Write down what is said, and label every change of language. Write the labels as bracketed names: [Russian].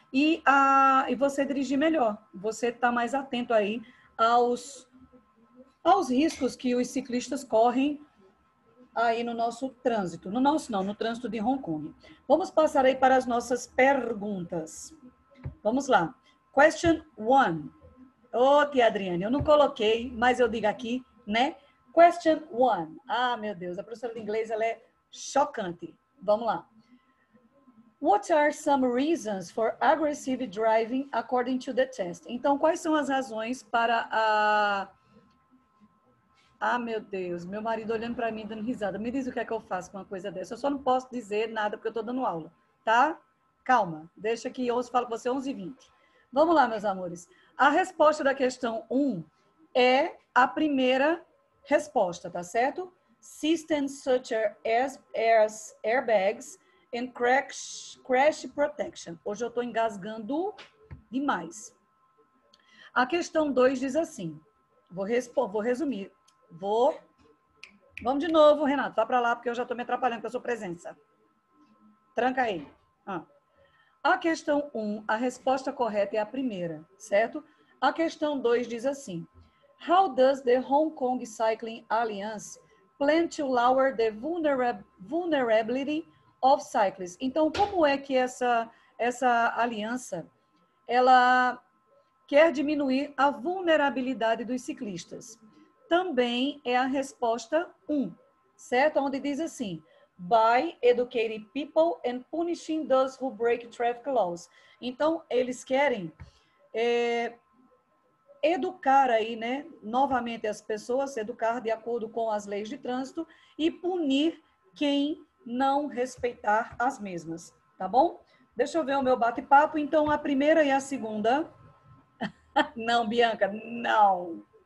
[Portuguese] E você dirigir melhor, você tá mais atento aí aos riscos que os ciclistas correm aí no nosso trânsito, no nosso não, no trânsito de Hong Kong. Vamos passar aí para as nossas perguntas. Vamos lá. [English] Question one. [Portuguese] Ô, tia Adriane, eu não coloquei, mas eu digo aqui, né? [English] Question one. [Portuguese] Ah, meu Deus, a professora de inglês, ela é chocante. Vamos lá. [English] What are some reasons for aggressive driving according to the test? [Portuguese] Então, quais são as razões para a... Ah, meu Deus, meu marido olhando para mim dando risada. Me diz o que é que eu faço com uma coisa dessa. Eu só não posso dizer nada porque eu estou dando aula, tá? Calma, deixa que eu falo com você 11h20. Vamos lá, meus amores. A resposta da questão 1 é a primeira resposta, tá certo? [English] Systems such as airbags and crash protection. [Portuguese] Hoje eu estou engasgando demais. A questão 2 diz assim, vou resumir. Vamos de novo, Renato. Vá para lá, porque eu já estou me atrapalhando com a sua presença. Tranca aí. Ah. A questão 1, a resposta correta é a primeira, certo? A questão 2 diz assim: [English] How does the Hong Kong Cycling Alliance plan to lower the vulnerability of cyclists? [Portuguese] Então, como é que essa aliança ela quer diminuir a vulnerabilidade dos ciclistas? Também é a resposta 1, certo? Onde diz assim: [English] by educating people and punishing those who break traffic laws. [Portuguese] Então, eles querem educar aí, né, novamente as pessoas, educar de acordo com as leis de trânsito e punir quem não respeitar as mesmas, tá bom? Deixa eu ver o meu bate-papo. Então, a primeira e a segunda. Não, Bianca, não.